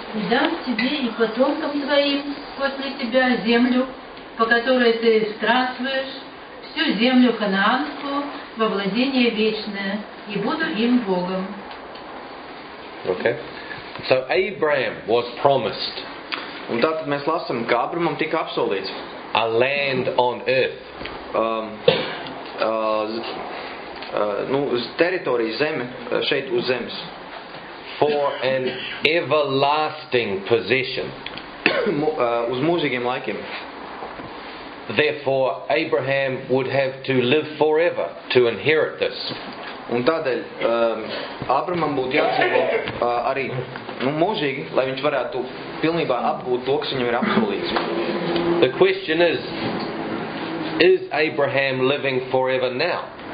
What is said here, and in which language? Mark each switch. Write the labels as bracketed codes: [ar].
[ru] Дам тебе и потомкам твоим после тебя землю, по которой ты странствуешь, всю землю ханаанскую во владение вечное, и буду им Богом. [en] Okay. So Abraham was promised. [lv] Un tātad mēs lasam, ka Abramam tika apsolīts. [en] A land on earth. [lv] Teritorija zeme šeit uz zemes. [en] For an everlasting possession. [lv] uz mūžīgiem laikiem. [en] Therefore Abraham would have to live forever to inherit this. [lv] Un tādēļ Abramam būtu jādzīvo arī mūžīgi, lai viņš varētu pilnībā apgūt to, kas viņam ir apsolīts. [en] The question is, is Abraham living forever now?